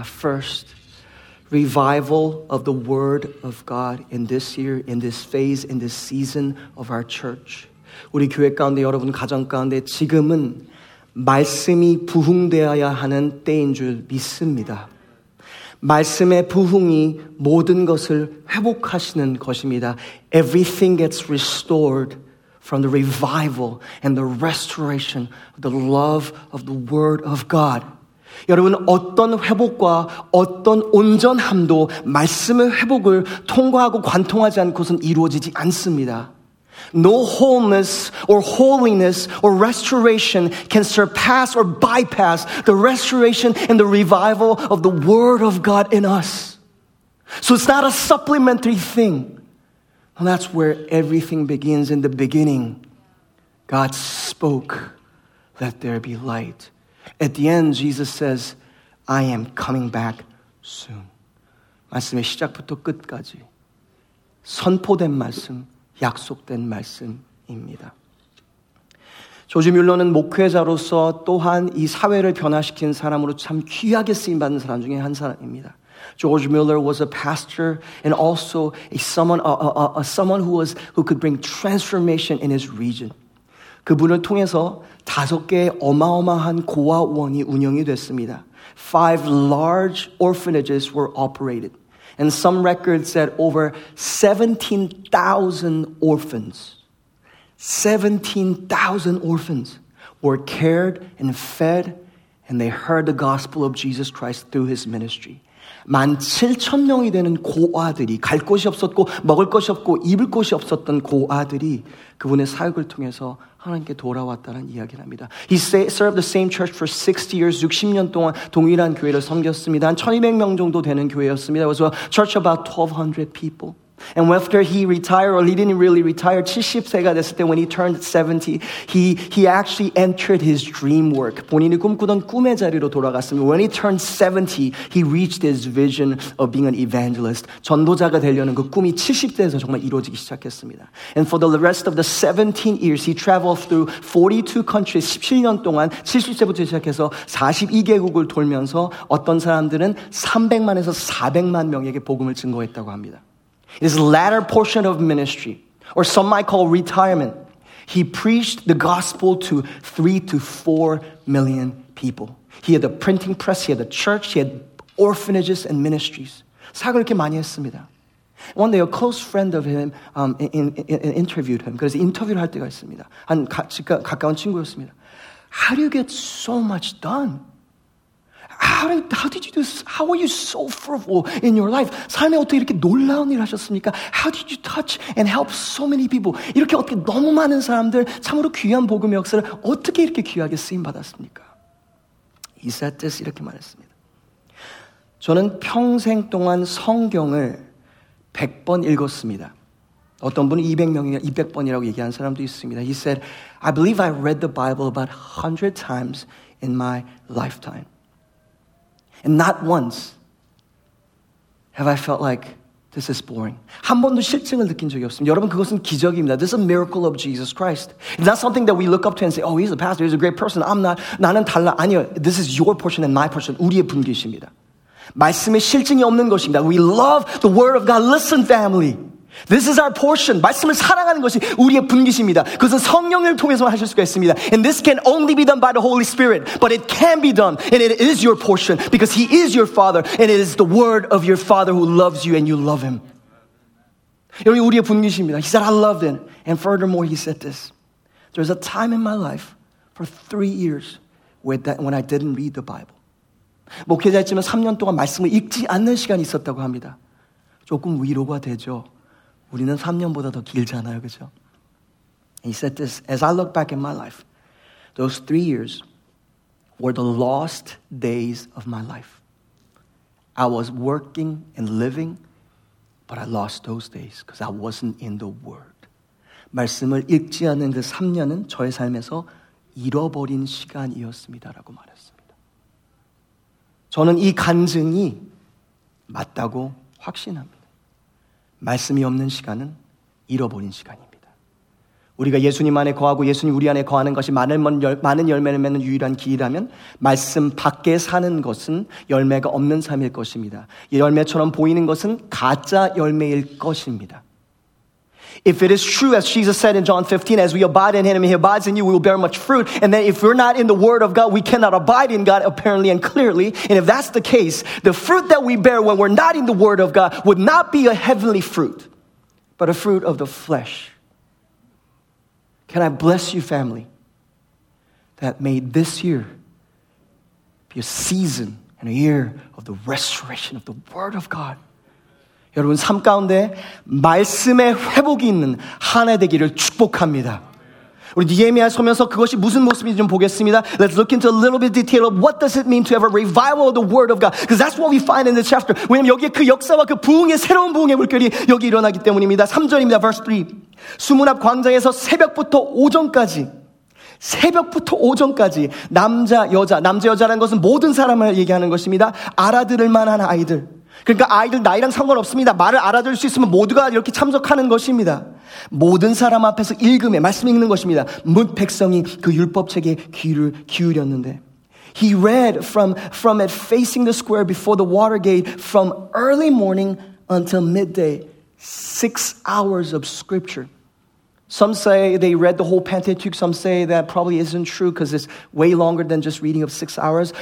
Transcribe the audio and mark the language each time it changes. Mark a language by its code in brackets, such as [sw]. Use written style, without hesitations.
[en] First, revival of the word of God in this year, in this phase, in this season of our church. [ko] 우리 교회 가운데 여러분 가정 가운데 지금은 말씀이 부흥되어야 하는 때인 줄 믿습니다. 말씀의 부흥이 모든 것을 회복하시는 것입니다. [en] Everything gets restored from the revival and the restoration of the love of the Word of God. [ko] 여러분 어떤 회복과 어떤 온전함도 말씀의 회복을 통과하고 관통하지 않고선 이루어지지 않습니다. [en] No wholeness or holiness or restoration can surpass or bypass the restoration and the revival of the Word of God in us. So it's not a supplementary thing. And that's where everything begins. In the beginning, God spoke, let there be light. At the end, Jesus says, I am coming back soon. [ko] 말씀의 시작부터 끝까지 선포된 말씀, 약속된 말씀입니다. 조지 뮬러는 목회자로서 또한 이 사회를 변화시킨 사람으로 참 귀하게 쓰임받는 사람 중에 한 사람입니다. [en] George Mueller was a pastor and also someone who could bring transformation in his region. [ko] 그분을 통해서 다섯 개의 어마어마한 고아원이 운영이 됐습니다. [en] Five large orphanages were operated. And some records said over 17,000 orphans. 17,000 orphans were cared and fed and they heard the gospel of Jesus Christ through his ministry. [ko] 17,000명이 되는 고아들이 갈 곳이 없었고 먹을 것이 없고 입을 곳이 없었던 고아들이 그분의 사역을 통해서 하나님께 돌아왔다는 이야기를 합니다. [en] He served the same church for 60 years. [ko] 60년 동안 동일한 교회를 섬겼습니다. 한 1,200명 정도 되는 교회였습니다. [en] It was a church about 1,200 people. And after he retired, or he didn't really retire, [ko] 70세가 됐을 때 [en] when he turned 70, he actually entered his dream work. [ko] 본인이 꿈꾸던 꿈의 자리로 돌아갔습니다. [en] When he turned 70, he reached his vision of being an evangelist. [ko] 전도자가 되려는 그 꿈이 70대에서 정말 이루어지기 시작했습니다. [en] And for the rest of the 17 years, he traveled through 42 countries. [ko] 17년 동안 70세부터 시작해서 42개국을 돌면서 어떤 사람들은 300만에서 400만 명에게 복음을 증거했다고 합니다. [en] In his latter portion of ministry, or some might call retirement, he preached the gospel to 3 to 4 million people. He had the printing press, he had the church, he had orphanages and ministries. [ko] 사역을 이렇게 많이 했습니다. [en] One day, a close friend of him interviewed him. [ko] 그래서 인터뷰를 할 때가 있습니다. 한 가까운 친구였습니다. [en] How do you get so much done? How are you so fruitful in your life? [ko] 삶에 어떻게 이렇게 놀라운 일을 하셨습니까? [en] How did you touch and help so many people? [ko] 이렇게 어떻게 너무 많은 사람들 참으로 귀한 복음의 역사를 어떻게 이렇게 귀하게 쓰임 받았습니까? [en] He said this, [ko] 이렇게 말했습니다. 저는 평생 동안 성경을 100번 읽었습니다. 어떤 분은 200번이라고 얘기한 사람도 있습니다. [en] He said, I believe I read the Bible about 100 times in my lifetime. And not once have I felt like this is boring. [ko] 한 번도 실증을 느낀 적이 없습니다. 여러분, 그것은 기적입니다. [en] This is a miracle of Jesus Christ. It's not something that we look up to and say, oh, he's a pastor, he's a great person. I'm not, [ko] 나는 달라. 아니요, [en] this is your portion and my portion. [ko] 우리의 분깃입니다. 말씀에 실증이 없는 것입니다. [en] We love the word of God. Listen, family. This is our portion. [ko] 말씀을 사랑하는 것이 우리의 분깃입니다. 그것은 성령을 통해서 하실 수가 있습니다. [en] And this can only be done by the Holy Spirit. But it can be done. And it is your portion. Because he is your father. And it is the word of your father who loves you and you love him. [ko] 여기 우리의 분깃입니다. [en] He said, I loved him. And furthermore, he said this. There's a time in my life for 3 years when I didn't read the Bible. [ko] 목회자였지만 3년 동안 말씀을 읽지 않는 시간이 있었다고 합니다. 조금 위로가 되죠. 우리는 3년보다 더 길잖아요, 그죠? [en] He said this, as I look back in my life, those 3 years were the lost days of my life. I was working and living, but I lost those days because I wasn't in the Word. [ko] 말씀을 읽지 않는 그 3년은 저의 삶에서 잃어버린 시간이었습니다라고 말했습니다. 저는 이 간증이 맞다고 확신합니다. 말씀이 없는 시간은 잃어버린 시간입니다. 우리가 예수님 안에 거하고 예수님 우리 안에 거하는 것이 많은 열매를 맺는 유일한 길이라면 말씀 밖에 사는 것은 열매가 없는 삶일 것입니다. 열매처럼 보이는 것은 가짜 열매일 것입니다. [en] If it is true, as Jesus said in John 15, as we abide in him and he abides in you, we will bear much fruit. And then if we're not in the word of God, we cannot abide in God apparently and clearly. And if that's the case, the fruit that we bear when we're not in the word of God would not be a heavenly fruit, but a fruit of the flesh. Can I bless you, family, that may this year be a season and a year of the restoration of the word of God. [ko] 여러분 삶 가운데 말씀의 회복이 있는 한 해 되기를 축복합니다. 우리 느헤미야 서면서 그것이 무슨 모습인지 좀 보겠습니다. [en] Let's look into a little bit detail of what does it mean to have a revival of the word of God. Because that's what we find in this chapter. [ko] 왜냐면 여기에 그 역사와 그 부흥의 새로운 부흥의 물결이 여기 일어나기 때문입니다. 3절입니다. [en] Verse 3. [ko] 수문 앞 광장에서 새벽부터 오전까지 남자 여자라는 것은 모든 사람을 얘기하는 것입니다. 알아들을 만한 아이들. 그러니까 아이들 나이랑 상관없습니다. 말을 알아들을 수 있으면 모두가 이렇게 참석하는 것입니다. 모든 사람 앞에서 읽음에 말씀 읽는 것입니다. 문 백성이 그 율법책에 귀를 기울였는데 [en] He read from it facing the square before the water gate from early morning until midday. 6 hours of scripture. Some say they read the whole Pentateuch. Some say that probably isn't true because it's way longer than just reading of 6 hours.